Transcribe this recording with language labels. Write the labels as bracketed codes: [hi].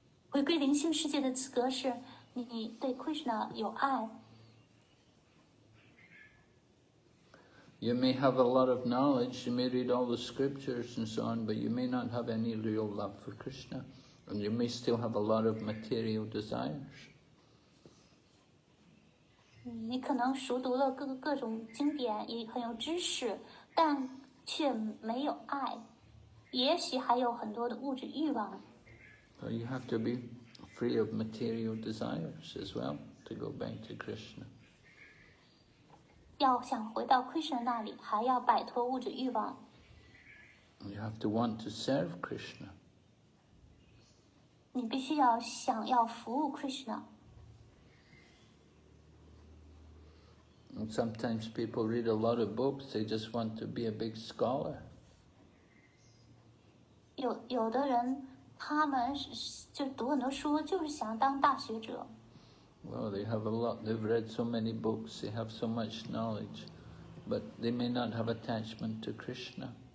[zh] 回归灵性世界的资格是你对 Krishna 有爱。 [en] You may have a lot of knowledge, you may read all the scriptures and so on, but you may not have any real love for Krishna, and you may still have a lot of material desires. [zh] 你可能熟读了各种经典，也很有知识，但却没有爱，也许还有很多的物质欲望。 [en] So you have to be free of material desires as well to go back to Krishna. [zh] 要想回到 Krishna 那里，还要摆脱物质欲望。 [en] You have to want to serve Krishna. [zh] 你必须要想要服务 Krishna. [en] And sometimes people read a lot of books. They just want to be a big scholar. [zh] 有的人。他们就读很多书，就是想当大学者。 [en] Well, they have a lot. They've read so many books. They have so much knowledge, but they may not have attachment to Krishna.